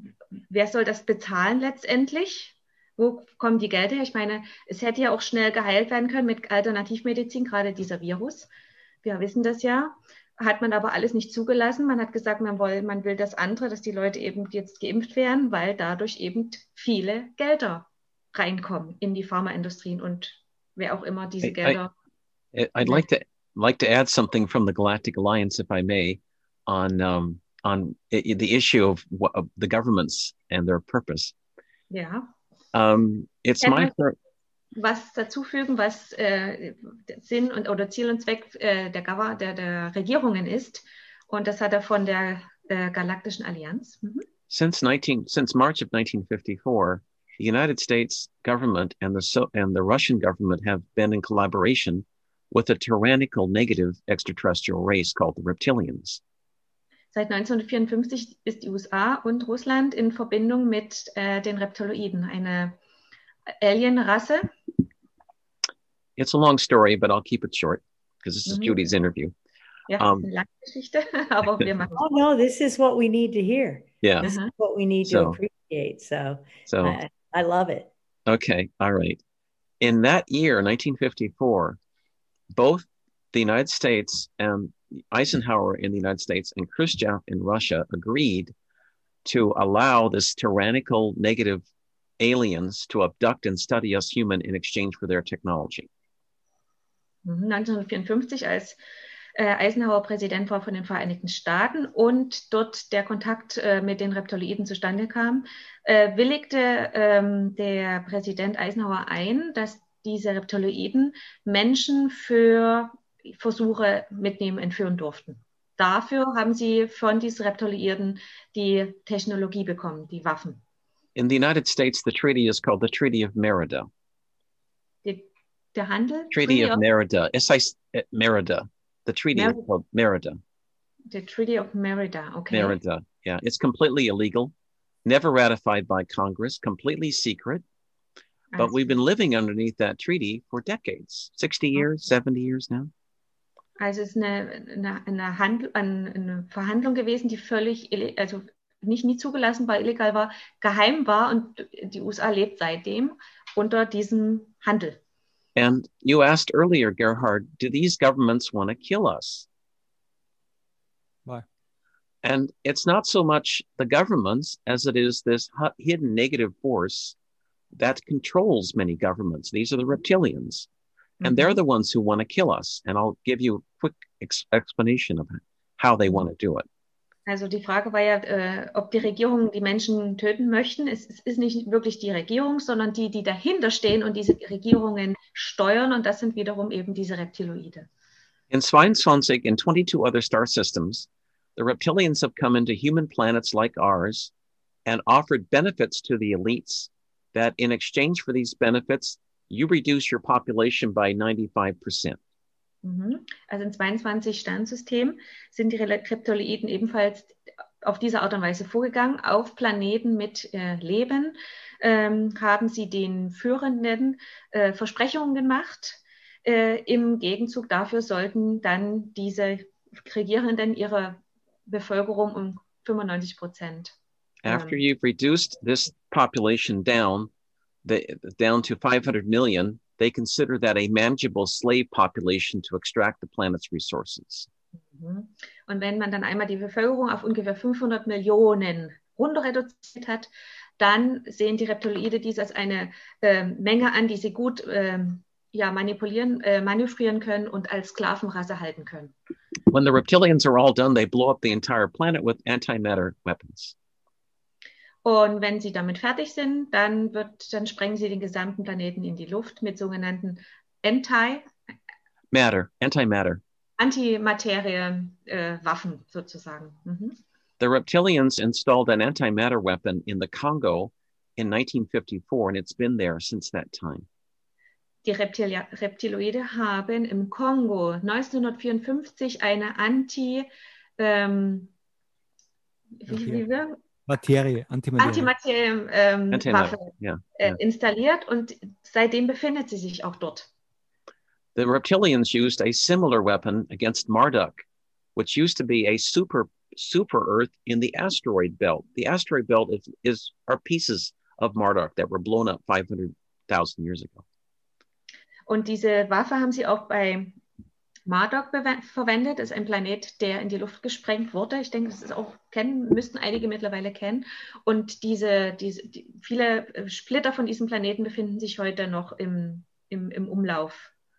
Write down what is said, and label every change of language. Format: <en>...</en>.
<de>wer soll das bezahlen letztendlich? Wo kommen die Gelder her? Ich meine, es hätte ja auch schnell geheilt werden können mit Alternativmedizin, gerade dieser Virus. Wir wissen das ja. Hat man aber alles nicht zugelassen. Man hat gesagt, man will das andere, dass die Leute eben jetzt geimpft werden, weil dadurch eben viele Gelder reinkommen in die Pharmaindustrien und wer auch immer diese Gelder...</de> <en>I'd like to add something from the Galactic Alliance, if I may, on the issue of the governments and their purpose. Yeah. It's Can my per-</en> <de>was dazufügen, was Sinn und oder Ziel und Zweck der Regierungen ist, und das hat von der Galaktischen Allianz. Mm-hmm.</de> <en>Since March of 1954, the United States government and the Russian government have been in collaboration with a tyrannical negative extraterrestrial race called the Reptilians.</en> <de>Seit 1954 ist die USA und Russland in Verbindung mit den Reptiloiden, eine Alien-Rasse.</de> <en>It's a long story, but I'll keep it short, because this is Judy's interview.</en> <de>Ja, eine lange Geschichte, aber wir machen.</de> <en>Oh no, this is what we need to hear. Yeah. This is what we need to appreciate, so I love it. Okay, all right. In that year, 1954, both the United States and Eisenhower in the United States and Khrushchev in Russia agreed to allow this tyrannical negative aliens to abduct and study us human in exchange for their technology.</en> <de>1954, als Eisenhower Präsident war von den Vereinigten Staaten und dort der Kontakt mit den Reptiloiden zustande kam, willigte der Präsident Eisenhower ein, dass diese Reptiloiden Menschen für Versuche mitnehmen, entführen durften. Dafür haben sie von diesen Reptiloiden die Technologie bekommen, die Waffen.</de> <en>In the United States, the treaty is called the Treaty of Merida.</en> <de>Die der Handel?</de> <en>Treaty of Merida.</en> <de>Es heißt Merida.</de> <en>The Treaty of Merida. The Treaty of Merida, okay. Merida, yeah. It's completely illegal. Never ratified by Congress. Completely secret. But we've been living underneath that treaty for decades. 60 years, 70 years now.</en> <de>Also es ist eine Verhandlung gewesen, die völlig, also nicht nie zugelassen war, illegal war, geheim war und die USA lebt seitdem unter diesem Handel.</de> <en>And you asked earlier, Gerhard, do these governments want to kill us? Why? And it's not so much the governments as it is this hidden negative force that controls many governments. These are the reptilians. And they're the ones who want to kill us. And I'll give you a quick explanation of how they want to do it.</en> <de>Also die Frage war ja, ob die Regierungen die Menschen töten möchten. Es ist nicht wirklich die Regierung, sondern die, die dahinter stehen und diese Regierungen steuern. Und das sind wiederum eben diese Reptiloide.</de> <en>In 22, in 22 other star systems, the reptilians have come into human planets like ours and offered benefits to the elites that in exchange for these benefits, you reduce your population by 95%.</en> <de>Also in 22 Sternsystemen sind die Reptiloiden ebenfalls auf diese Art und Weise vorgegangen. Auf Planeten mit Leben haben sie den Führenden Versprechungen gemacht. Im Gegenzug dafür sollten dann diese Regierenden ihre Bevölkerung um 95%.</de> <en>After you've reduced this population down, down to 500 million, they consider that a manageable slave population to extract the planet's resources.</en> <de>Und wenn man dann einmal die Bevölkerung auf ungefähr 500 Millionen runter reduziert hat, dann sehen die Reptiloide dies als eine Menge an, die sie gut manipulieren, manövrieren können und als Sklavenrasse halten können.</de> <en>When the reptilians are all done, they blow up the entire planet with antimatter weapons.</en> <de>Und wenn sie damit fertig sind, dann sprengen sie den gesamten Planeten in die Luft mit sogenannten Antimaterie-Waffen sozusagen.</de> <en>The reptilians installed an antimatter weapon in the Congo in 1954 and it's been there since that time.</en> <de>Die Reptiloide haben im Kongo 1954 eine installiert und seitdem befindet sie sich auch dort.</de> <en>The reptilians used a similar weapon against Marduk, which used to be a super Earth in the asteroid belt. The asteroid belt are pieces of Marduk that were blown up 500,000 years ago.</en> <de>Und diese Waffe haben sie auch bei Marduk verwendet, ist ein Planet, der in die Luft gesprengt wurde. Ich denke, das ist auch müssten einige mittlerweile kennen. Und viele Splitter von diesem Planeten befinden sich heute noch im Umlauf.</de>